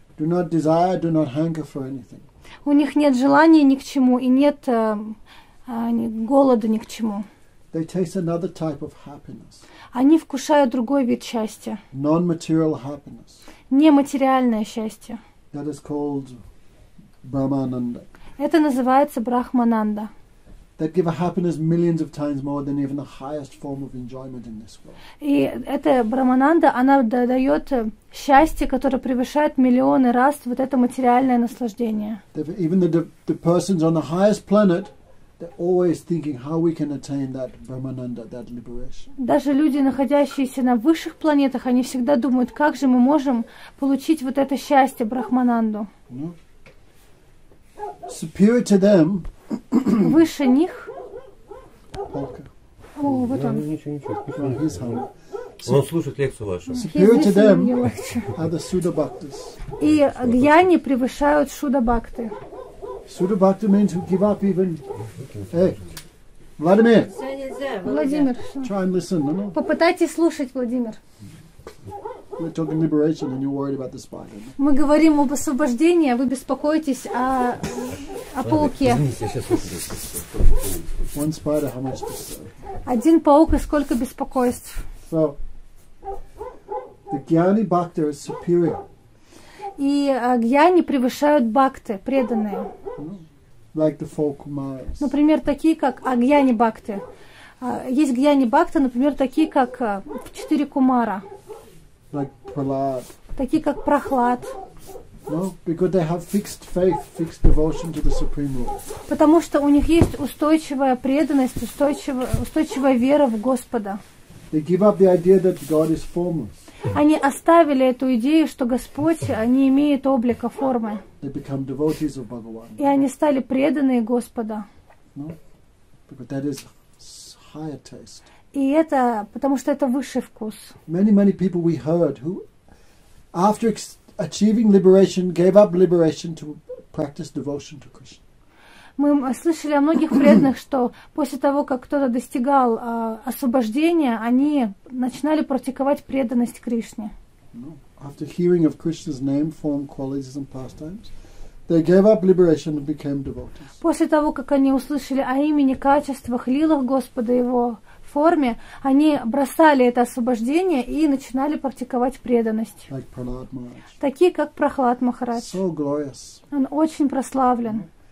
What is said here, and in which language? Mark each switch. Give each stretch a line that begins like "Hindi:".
English: Do not desire, do not hunger for anything.
Russian: У них нет желания ни к чему и нет голода ни к чему.
English: They taste another type of happiness.
Russian: Они вкушают другой вид счастья.
English: Non-material happiness.
Russian: Нематериальное счастье.
English: That is called Brahmananda.
Russian: Это называется Брахмананда.
English: That give a happiness millions of times more than even the highest form of enjoyment in this world.
Russian: И эта Брахмананда, она дает счастье, которое превышает миллионы раз вот это материальное наслаждение.
English: Even the persons on the highest planet, they're always thinking how we can attain that Brahmananda, that liberation.
Russian: Даже люди, находящиеся на высших планетах, они всегда думают, как же мы можем получить вот это счастье, Брахмананду.
English: No. Superior to them.
Russian: Выше них. Полка. О, вот он. Он слушает лекцию вашу.
English: Superior to them are the Suddha Bhaktas.
Russian: И гьяни превышают Шуддха Бхакты.
English: Suddha Bhakta means to give up even. Hey, Vladimir. Vladimir. Try and listen. No, no.
Russian: Попытайтесь слушать, Владимир.
English: We're talking liberation, and you're worried about the spider.
Russian: Мы говорим об освобождении, а вы беспокоитесь о пауке.
English: One spider, how much disturb?
Russian: Один паук и сколько беспокойств?
English: So, the Gyani Bhakta is superior.
Russian: И гьяни превышают бхакты, преданные.
English: Like the folk Maras.
Russian: Например, такие как гьяни бхакты. Есть гьяни бхакты, например, такие как четыре кумара.
English: Like Prahlad.
Russian: Такие как Прохлад.
English: No, because they have fixed faith, fixed devotion to the Supreme Lord.
Russian: Потому что у них есть устойчивая преданность, устойчивая вера в Господа.
English: They give up the idea that God is formless.
Russian: Они оставили эту идею, что Господь не имеет облика, формы.
English: They become devotees of Bhagavan.
Russian: И они стали преданные Господа.
English: No? But that is higher taste.
Russian: И это, потому что это высший вкус.
English: Many, many people we heard who, after achieving liberation, gave up liberation to practice devotion to Krishna.
Russian: Мы слышали о многих преданных, что после того, как кто-то достигал освобождения, они начинали практиковать преданность Кришне.
English: After hearing of Krishna's name, form, qualities and pastimes, They gave up liberation and became devotees.
Russian: После того, как они услышали о имени, качествах, лилах Господа его форме, они бросали это освобождение и начинали практиковать преданность.
English: Like Prahlad Maharaj.
Russian: Такие, как Прохлад Махарадж.
English: So glorious.
Russian: Он очень прославлен.